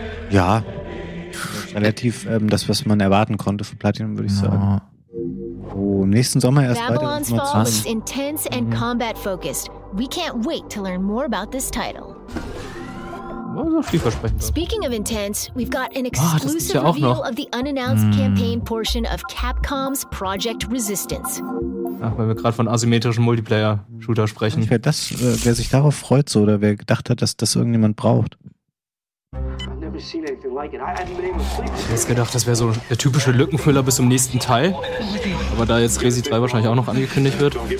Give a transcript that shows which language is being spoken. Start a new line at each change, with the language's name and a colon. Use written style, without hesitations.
German: Ja. Relativ das, was man erwarten konnte von Platinum, würde ich sagen. Oh, nächsten Sommer erst weiter.
English: Babylon's Fall is intense and combat focused. We can't wait to learn more about this title. Speaking of intense, we've got an exclusive reveal of the unannounced campaign portion of Capcom's Project Resistance.
German: Ach, weil wir gerade von asymmetrischen Multiplayer-Shooter sprechen. Ich das, wer sich darauf freut so, oder wer gedacht hat, dass das irgendjemand braucht. Ich hätte gedacht, das wäre so der typische Lückenfüller bis zum nächsten Teil. Aber da jetzt Resi 3 wahrscheinlich auch noch angekündigt wird.